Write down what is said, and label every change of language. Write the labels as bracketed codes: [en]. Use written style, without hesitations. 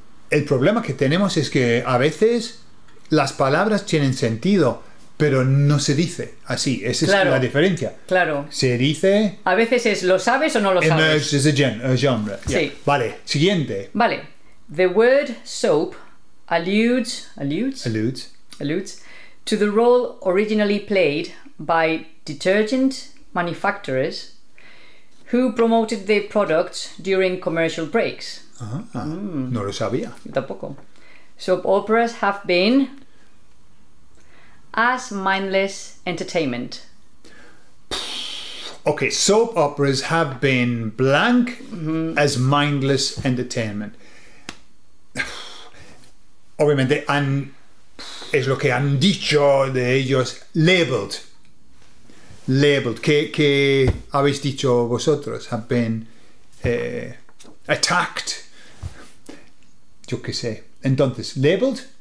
[es] El problema que tenemos es que a veces las palabras tienen sentido, pero no se dice así. Esa claro, es la diferencia. Claro. Se dice... A veces es lo sabes o no lo [en] emerged [es] sabes. [en] Emerged as a genre. Yeah. [es] Sí. Vale, siguiente. Vale. [en] The word soap alludes to the role originally played by detergent manufacturers who promoted the product during commercial breaks. [es] No lo sabía. Yo tampoco. [en] Soap operas have been as mindless entertainment. Okay, soap operas have been blank as mindless entertainment. [es] Obviamente es lo que han dicho de ellos, labeled. ¿Qué habéis dicho vosotros? [en] Have been attacked. [es] Yo qué sé. Entonces, labeled.